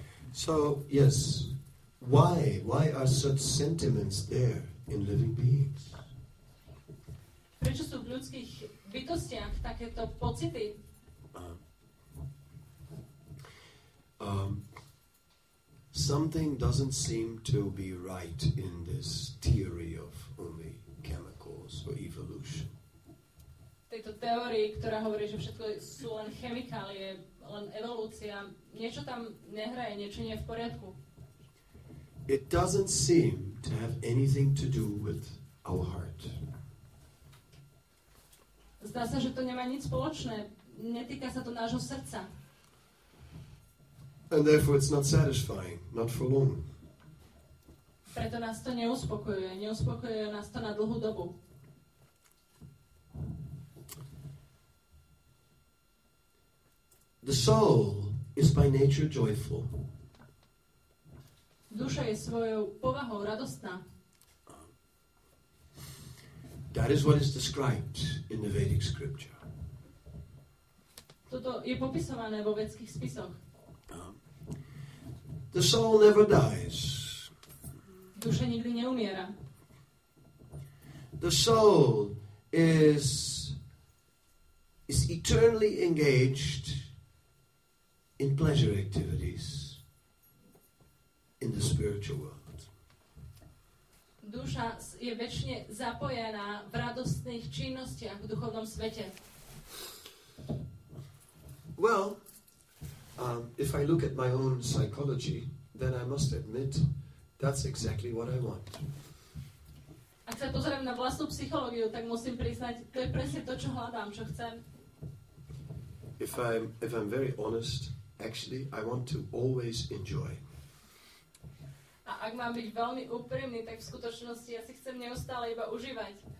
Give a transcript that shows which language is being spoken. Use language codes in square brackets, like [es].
[en] So, yes, why are such sentiments there in living beings? [sk] Prečo sú v ľudských bytostiach takéto pocity? [en] Something doesn't seem to be right in this theory of only chemicals or evolution. [sk] Tejto teórii, ktorá hovorí, že všetko sú len chemikálie, len evolúcia, niečo tam nehraje, niečo nie je v poriadku. [en] It doesn't seem to have anything to do with our heart. [sk] Zdá sa, že to nemá nič spoločné. Netýka sa to nášho srdca. [en] And therefore it's not satisfying, not for long. [sk] Preto nás to neuspokojuje. Neuspokojuje nás to na dlhú dobu. [en] The soul is by nature joyful. [sk] Duša je svojou povahou radostná. [en] That is what is described in the Vedic scripture. [sk] Toto je popisované vo vedských spisoch. [en] The soul never dies. [sk] Duša nikdy neumiera. [en] The soul is eternally engaged in pleasure activities in the spiritual world. [sk] Duša je večne zapojená v radostných činnostiach v duchovnom svete. [en] Well, if I look at my own psychology, then I must admit that's exactly what I want. [sk] Ak sa pozriem na vlastnú psychológiu, tak musím priznať, to je presne to, čo hľadám, čo chcem. [en] If I'm very honest, actually I want to always enjoy. [sk] A ak mám byť veľmi úprimný, tak v skutočnosti ja si chcem neustále iba užívať.